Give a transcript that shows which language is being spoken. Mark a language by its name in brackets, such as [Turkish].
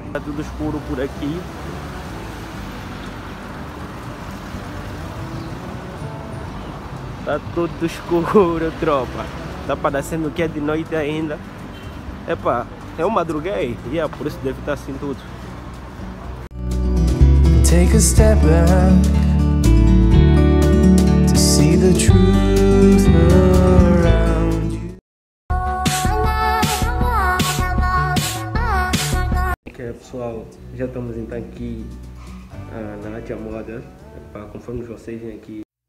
[Portuguese] Está tudo escuro por aqui. Está tudo escuro, tropa. Está parecendo que é de noite ainda. Epa, eu madruguei. Yeah, por isso deve estar assim tudo. [English] Take a step back to see the truth around you. [Portuguese] Ok, pessoal, já estamos então aqui na Adia Models. Epa, conforme vocês vêm aqui.